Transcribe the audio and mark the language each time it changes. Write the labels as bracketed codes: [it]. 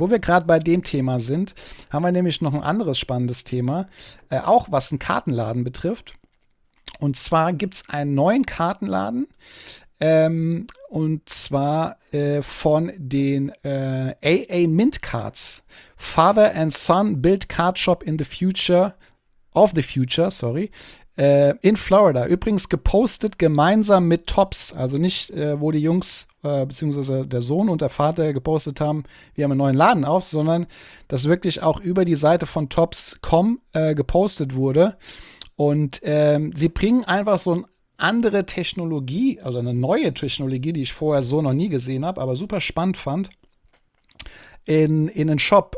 [de] Wo wir gerade bei dem Thema sind, haben wir nämlich noch ein anderes spannendes Thema, auch was einen Kartenladen betrifft. Und zwar gibt es einen neuen Kartenladen, und zwar von den AA Mint Cards. [en] Father and Son Build Card Shop in the Future, of the Future, sorry, in Florida. [de] Übrigens gepostet gemeinsam mit Tops, also nicht, wo die Jungs beziehungsweise der Sohn und der Vater gepostet haben, wir haben einen neuen Laden auf, sondern das wirklich auch über die Seite von tops.com gepostet wurde. Und sie bringen einfach so eine andere Technologie, also eine neue Technologie, die ich vorher so noch nie gesehen habe, aber super spannend fand, in den Shop.